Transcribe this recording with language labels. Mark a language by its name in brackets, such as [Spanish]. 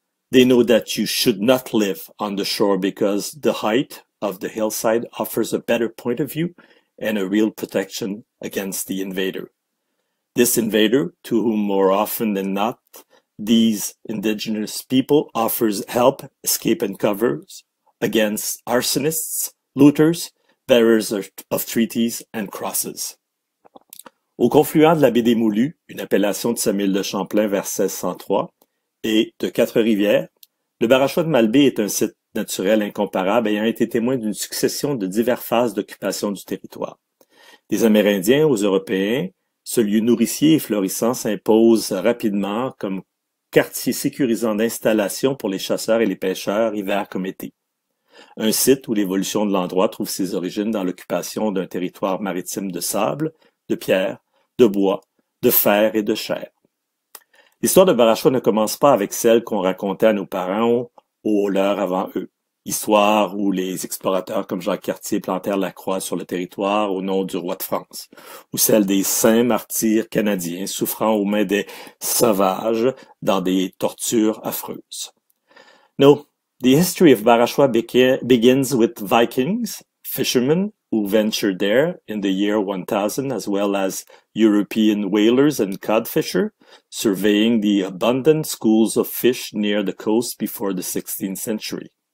[English] They know that you should not live on the shore because the height of the hillside offers a better point of view and a real protection against the invader. This invader, to whom more often than not these indigenous people offers help, escape, and covers against arsonists, looters, bearers of treaties and crosses. [French] Au confluent de la baie des Moulus, une appellation de 5000 de Champlain vers 1603, et de quatre rivières, le Barachois de Malbaie est un site naturel incomparable ayant été témoin d'une succession de diverses phases d'occupation du territoire. Des Amérindiens aux Européens, ce lieu nourricier et florissant s'impose rapidement comme quartier sécurisant d'installation pour les chasseurs et les pêcheurs, hiver comme été. Un site où l'évolution de l'endroit trouve ses origines dans l'occupation d'un territoire maritime de sable, de pierre, de bois, de fer et de chair. L'histoire de Barachois ne commence pas avec celle qu'on racontait à nos parents ou aux leurs avant eux. Histoire où les explorateurs comme Jacques Cartier plantèrent la croix sur le territoire au nom du roi de France, ou celle des saints martyrs canadiens souffrant aux mains des sauvages dans des tortures affreuses. [English] No, the history of Barachois begins with Vikings, fishermen, who ventured there in the year 1000, as well as European whalers and codfisher, surveying the abundant schools of fish near the coast before the 16th century.